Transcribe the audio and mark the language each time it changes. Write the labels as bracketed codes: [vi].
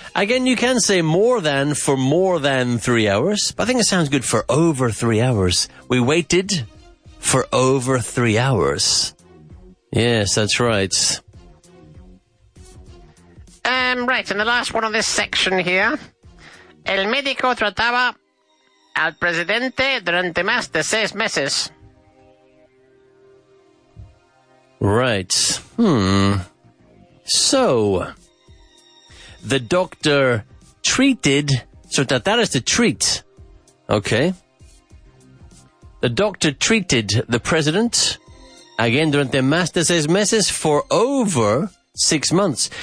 [en] Again, you can say more than for more than 3 hours, but I think it sounds good for over 3 hours. We waited for over 3 hours. Yes, that's right. Right, and the last one of this section here. [es] El médico trataba al presidente durante más de 6 meses. [en] Right. So, the doctor treated, so tratar is to treat, okay? The doctor treated the president, again, [es] durante más de 6 meses, [en] for over 6 months.